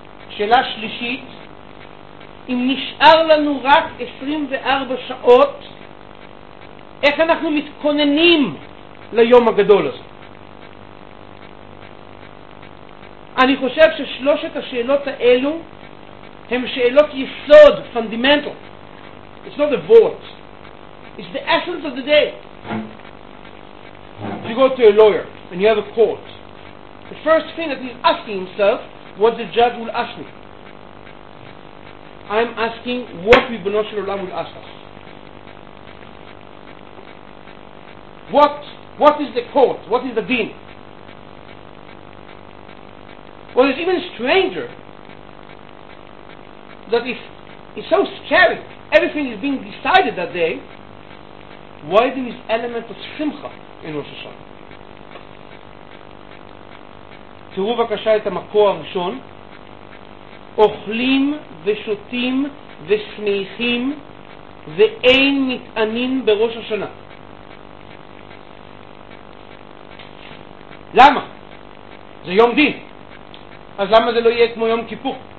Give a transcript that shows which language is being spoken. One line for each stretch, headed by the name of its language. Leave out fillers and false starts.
Hebrew: שאלה שלישית, אם נשאר לנו רק 24 שעות, איך אנחנו מתכוננים ליום הגדול הזה? אני חושב ששלושת השאלות האלו הן שאלות יסוד, fundamental.
English: It's not a vote. It's the essence of the day. If you go to a lawyer and you have a court, the first thing that he's asking himself, what the judge will ask me. I'm asking what Ribbono Shel Olam will ask us. What is the court? What is the deen? Well, it's even stranger that if it's so scary, everything is being decided that day, why there is element of simcha in Rosh Hashanah?
Hebrew: תראו בבקשה את המקור הראשון, אוכלים ושותים ושמחים ואין מתענים בראש השנה. למה? זה יום דין. אז למה זה לא יהיה כמו יום כיפור?